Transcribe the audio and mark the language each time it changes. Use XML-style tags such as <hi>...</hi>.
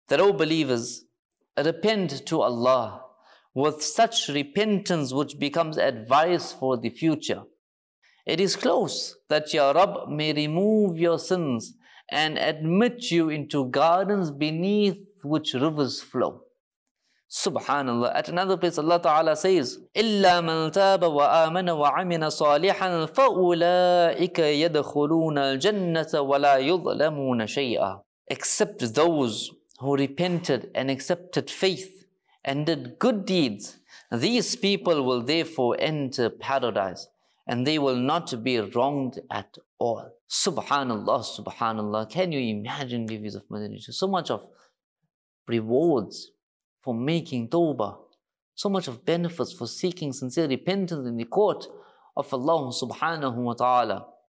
<en>That, O believers, repent to Allah with such repentance which becomes advice for the future. It is close that your Rabb may remove your sins and admit you into gardens beneath which rivers flow. Subhanallah. At another place, Allah Ta'ala says,</en> <ar>إِلَّا مَنْ تَابَ وَآمَنَ وَعَمِنَ صَالِحًا فَأُولَٰئِكَ يَدْخُلُونَ الْجَنَّةَ وَلَا يُظْلَمُونَ شَيْئًا.</ar> <en>Except those who repented and accepted faith and did good deeds, these people will therefore enter paradise and they will not be wronged at all. Subhanallah, subhanallah. Can you imagine, Bibis of Madinah, so much of rewards for making tawbah, so much of benefits for seeking sincere repentance in the court of Allah subhanahu wa ta'ala.</en>